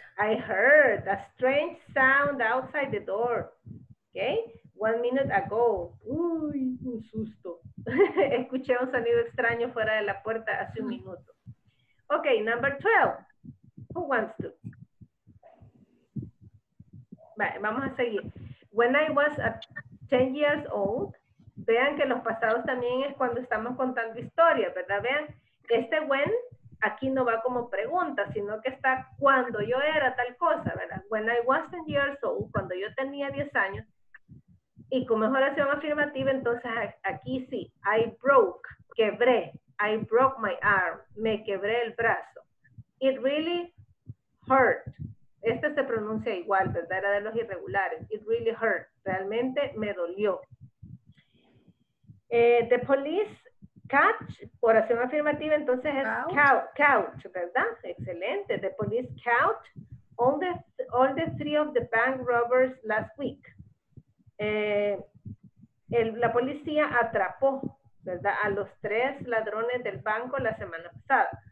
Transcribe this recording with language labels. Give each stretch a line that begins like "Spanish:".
English: I heard a strange sound outside the door. Okay, 1 minute ago.
Spanish: Uy, un susto. Escuché un sonido extraño fuera de la puerta hace un minuto.
English: Okay, number 12. Who wants to?
Spanish: Vamos a seguir.
English: When I was 10 years old,
Spanish: vean que los pasados también es cuando estamos contando historias, ¿verdad? Vean, este when aquí no va como pregunta, sino que está cuando yo era tal cosa, ¿verdad?
English: When I was 10 years old,
Spanish: cuando yo tenía 10 años, y como es oración afirmativa, entonces aquí sí, I broke, quebré,
English: I broke my arm,
Spanish: me quebré el brazo.
English: It really hurt.
Spanish: Este se pronuncia igual, ¿verdad? Era de los irregulares.
English: It really hurt.
Spanish: Realmente me dolió.
English: The police catch,
Spanish: oración afirmativa, entonces es couch, ¿verdad? Excelente.
English: The police catch all the three of the bank robbers last week.
Spanish: La policía atrapó, ¿verdad? A los tres ladrones del banco la semana pasada.